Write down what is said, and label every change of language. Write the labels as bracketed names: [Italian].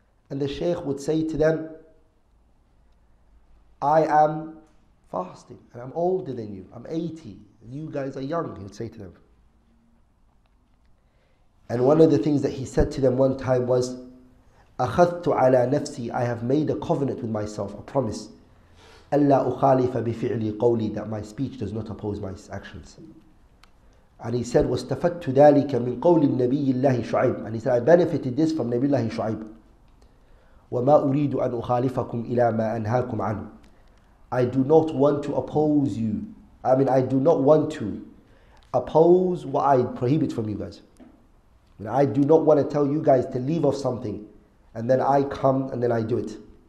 [English] And the Shaykh would say to them, I am fasting, and I'm older than you, I'm 80, you guys are young, he would say to them. And one of the things that he said to them one time was, [Arabic] أخذت على نفسي, [English] I have made a covenant with myself, a promise. [Arabic] أَلَّا أُخَالِفَ بِفِعْلِي قَوْلِي, [English] that my speech does not oppose my actions. And he said, [Arabic] وَاسْتَفَدْتُ ذَلِكَ مِنْ قَوْلِ النَّبِيِّ اللَّهِ شُعَيْبِ. [English] And he said, I benefited this from Nabi Allah Shu'aib. [Arabic] وَمَا أُرِيدُ أَنْ أُخَالِفَكُمْ إِلَى مَا أَنْهَاكُمْ عَنْهُ. [English] I do not want to oppose you. I mean, I do not want to oppose what I prohibit from you guys. I do not want to tell you guys to leave off something, and then I come and then I do it.